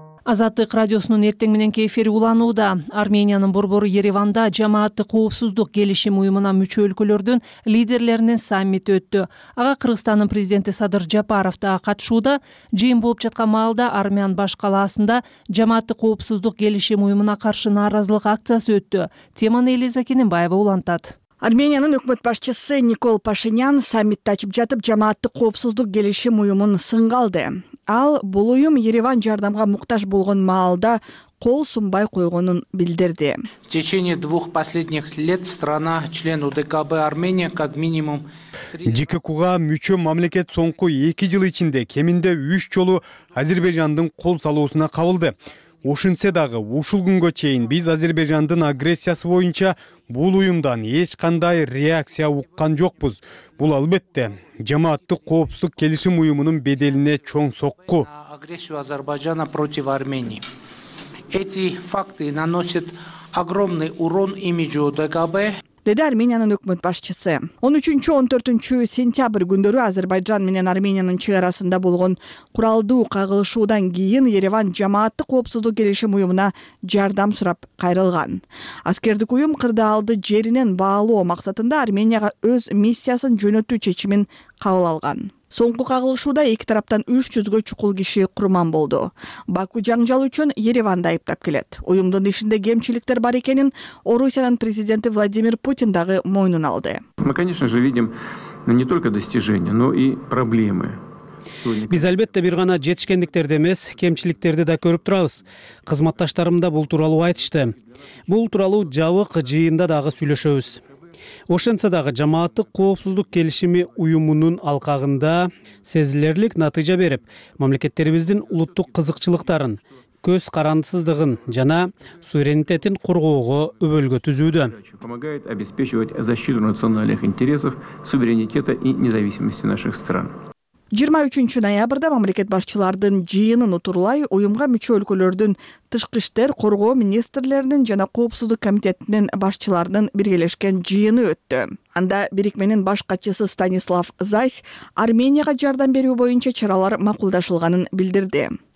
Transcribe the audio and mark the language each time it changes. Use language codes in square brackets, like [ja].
[ky] Азаттык радиосунун эртең мененки эфири уланууда. Армениянын борбору Ереванда жамааттык коопсуздук келишими уюмуна мүчө өлкөлөрдүн лидерлеринин саммити өттү. Ага Кыргызстандын президенти Садыр Жапаров да катышууда. Жыйын болуп жаткан маалда Армян баш калаасында жамааттык коопсуздук келишими уюмуна каршы нааразылык акциясы өттү. Теманы Элиза Кененбаева улантат. Армениянын өкмөт башчысы Никол Пашинян саммитти ачып жатып, жамааттык коопсуздук келишим уюмун сынга алды. Ал бул уюм Ереван жардамга муктаж болгон маалда кол сунбай койгонун билдирди. [ru] В течение двух последних лет страна, член УДКБ Армения, как минимум... [ky] ЖКК-га мүчө мамлекет соңку 2 жыл ичинде кеминде 3 жолу Азербайжандын кол салуусуна кабылды. Ошентсе дагы ушул күнгө чейин биз Азербайжандын агрессиясы боюнча бул уюмдан эч кандай реакция уккан жокпуз. Бул албетте жамааттык коопсуздук келишим уюмунун беделине чоң сокку. [ru] Агрессию Азербайджана против Армении. Эти факты наносят огромный урон имиджу ДКБ. [ky] Деди Армениянын өкмөт башчысы. 13-14 сентябрь күндөрү Азербайджан менен Армениянын чек арасында болгон куралдуу кагылышуудан кийин Ереван жамааттык коопсуздук келишим уюмуна жардам сурап кайрылган. Аскердик уюм кырдаалды жеринен баалоо максатында Арменияга өз миссиясын жөнөтүү чечимин кабыл алган. Соңку кагылышууда эки тараптан 300 чукул киши курман болду. Баку жаңжал үчүн Ереванды айыптап келет. Уюмдун ишинде кемчиликтер бар экенин Орусиянын президенти Владимир Путин дагы мойнун алды. [ru] Мы, конечно же, видим не только достижения, но и проблемы. [ky] Биз албетте бир гана жетишкендиктерди эмес, кемчиликтерди да көрүп турабыз. Кызматташтарым да бул тууралуу айтышты. Бул тууралуу жабык жыйында дагы сүйлөшөбүз. Ошентсе дагы жамааттык коопсуздук келишими уюмунун алкагында сезилерлик натыйжа берип, мамлекеттерибиздин улуттук кызыкчылыктарын, көз карандысыздыгын жана суверенитетин коргоого өбөлгө түзүүдө. [ru] Помогает обеспечивать защиту национальных интересов, суверенитета и независимости наших стран. [ky] 23 ноябрда мамлекет башчылардын жыйынын утурулай уюмга мүчө өлкөлөрдүн тышкы иштер, коргоо министрлеринин жана коопсуздук комитетинин башчыларынын биргелешкен жыйыны өттү. Анда Бирикменин баш катчысы Станислав Зайс Арменияга жардам берүү боюнча чаралар макулдашылганын билдирди.